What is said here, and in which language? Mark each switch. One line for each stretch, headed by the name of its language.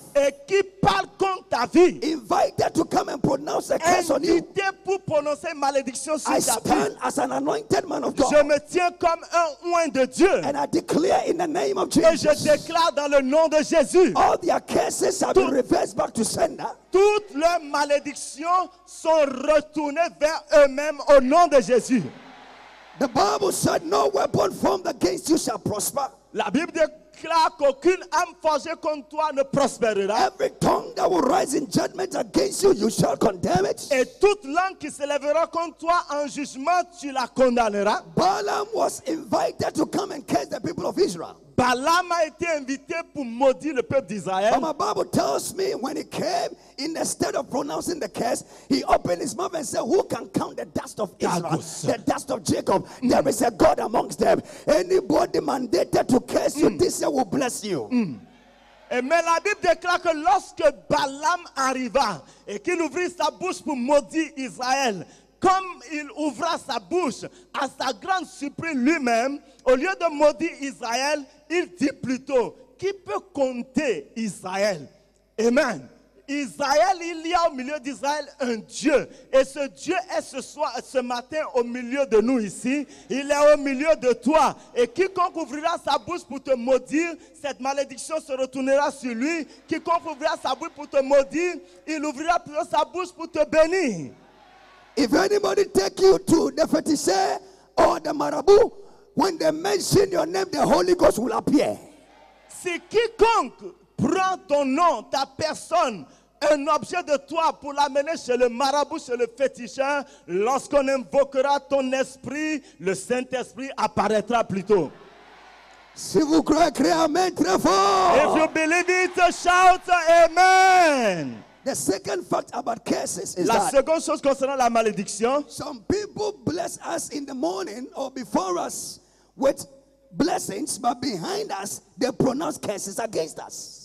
French: et qui parle contre ta vie,
English: invited to come and pronounce a curse on you,
French: invité pour prononcer malédiction sur
English: I stand as an anointed man of God,
French: je me tiens comme un oint de Dieu,
English: and I declare in the name of Jesus,
French: et je déclare dans le nom de Jésus,
English: all their curses have been reversed back to sender.
French: Toutes leurs malédictions sont retournées vers eux-mêmes au nom de Jésus.
English: The Bible said, no weapon formed against you shall prosper.
French: La Bible déclare qu'aucune arme forgée contre toi ne prospérera.
English: Every tongue that will rise in judgment against you, you shall condemn it.
French: Et toute langue qui s'élèvera contre toi en jugement, tu la condamneras.
English: Balaam was invited to come and curse the people of Israel.
French: Balaam a été invité pour maudire le peuple d'Israël.
English: But my Bible tells me when he came, instead of pronouncing the curse, he opened his mouth and said, who can count the dust of Israel, the dust of Jacob? There is a God amongst them. Anybody mandated to curse you, this year will bless you.
French: Et mais la Bible déclare que lorsque Balaam arriva et qu'il ouvrit sa bouche pour maudire Israël, comme il ouvra sa bouche à sa grande surprise lui-même, au lieu de maudire Israël, il dit plutôt, qui peut compter Israël? Amen. Israël, il y a au milieu d'Israël un Dieu. Et ce Dieu est ce soir, ce matin au milieu de nous ici. Il est au milieu de toi. Et quiconque ouvrira sa bouche pour te maudire, cette malédiction se retournera sur lui. Quiconque ouvrira sa bouche pour te maudire, il ouvrira plutôt sa bouche pour te bénir.
English: If anybody take you to the fetishes or the marabout, when they mention your name, the Holy Ghost will appear.
French: Si quiconque prend ton nom, ta personne, un objet de toi pour l'amener chez le marabout, chez le féticheur, lorsqu'on invoquera ton esprit, le Saint-Esprit apparaîtra plutôt. Si vous croyez, crie amen très fort.
English: If you believe it, shout amen. The second fact about curses is
French: la seconde chose concernant la malédiction,
English: some people bless us in the morning or before us with blessings, but behind us they pronounce curses against us.